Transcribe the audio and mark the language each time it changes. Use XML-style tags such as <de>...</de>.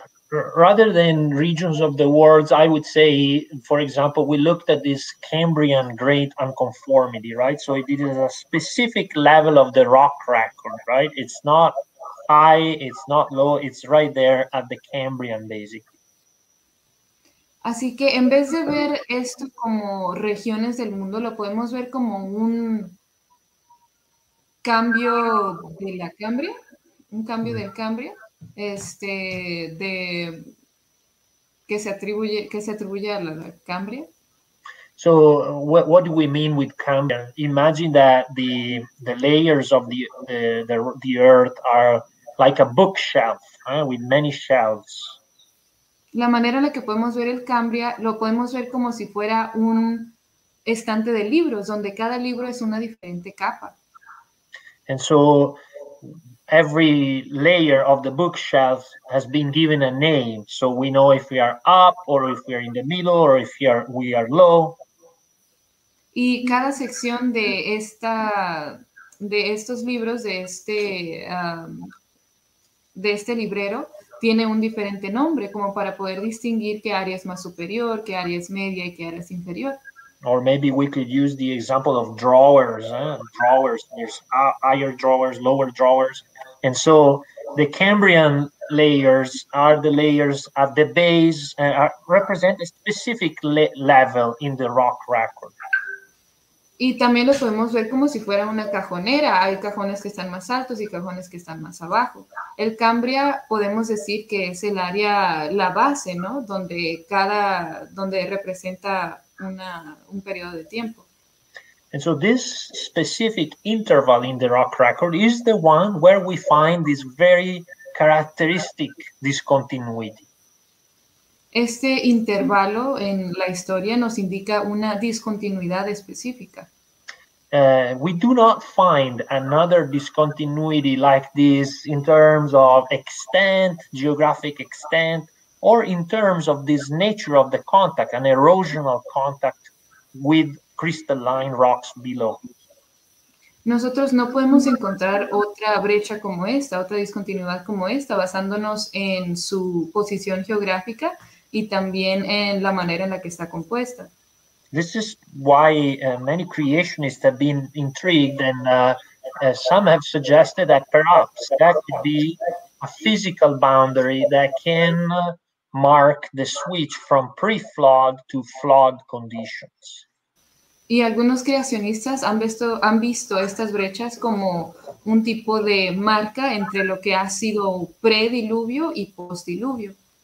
<en>Rather than regions of the world, I would say, for example, we looked at this Cambrian great unconformity, right? So it is a specific level of the rock record, right? It's not high, it's not low, it's right there at the Cambrian, basically.</en> <es>Así que en vez de ver esto como regiones del mundo, lo podemos ver como un cambio de la Cambria, un cambio del Cambria, de que se atribuye a la Cambria.</es> <en>So what do we mean with Cambria? Imagine that the layers of the earth are like a bookshelf, with many shelves.</en> <es>La manera en la que podemos ver el Cambria lo podemos ver como si fuera un estante de libros, donde cada libro es una diferente capa.</es> <en>And so every layer of the bookshelf has been given a name, so we know if we are up or if we are in the middle or if we are low.</en> <es>Y cada sección de esta de estos libros de este librero tiene un diferente nombre, como para poder distinguir qué área es más superior, qué área es media y qué área es inferior.</es> <en>Or maybe we could use the example of drawers, drawers, there's higher drawers, lower drawers. And so the Cambrian layers are the layers at the base, represent a specific level in the rock record.</en> <es>Y también lo podemos ver como si fuera una cajonera. Hay cajones que están más altos y cajones que están más abajo. El Cambria podemos decir que es el área, la base, ¿no? Donde representa un periodo de tiempo.</es> <en>And so this specific interval in the rock record is the one where we find this very characteristic discontinuity.</en> <es>Este intervalo en la historia nos indica una discontinuidad específica.</es> <en>We do not find another discontinuity like this in terms of extent, geographic extent, or in terms of this nature of the contact, an erosional contact with crystalline rocks below.</en> <es>Nosotros no podemos encontrar otra brecha como esta, otra discontinuidad como esta, basándonos en su posición geográfica y también en la manera en la que está compuesta.</es> <en>This is why many creationists have been intrigued and some have suggested that perhaps that could be a physical boundary that can mark the switch from pre-flood to flood conditions.</en> <es>Y algunos creacionistas han visto estas brechas como un tipo de marca entre lo que ha sido prediluvio y postdiluvio.</es>